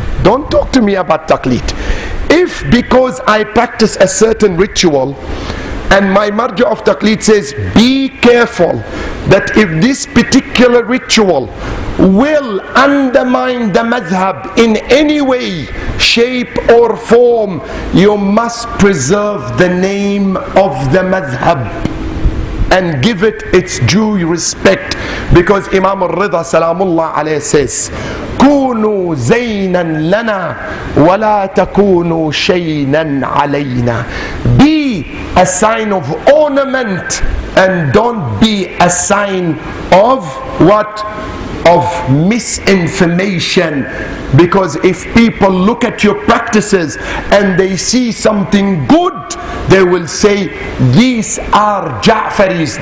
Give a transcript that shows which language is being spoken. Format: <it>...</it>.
<en>Don't talk to me about taqlid. If because I practice a certain ritual and my marja of taqlid says, be careful that if this particular ritual will undermine the madhab in any way, shape or form, you must preserve the name of the madhab and give it its due respect. Because Imam al-Ridha salamullah alayhi says,</en> <ar>كُونُوا زَيْنًا لَنَا وَلَا تَكُونُوا شَيْنًا عَلَيْنَا.</ar> <en>Be a sign of ornament and don't be a sign of what? Of misinformation. Because if people look at your practices and they see something good, they will say, these are Ja'faris.</en>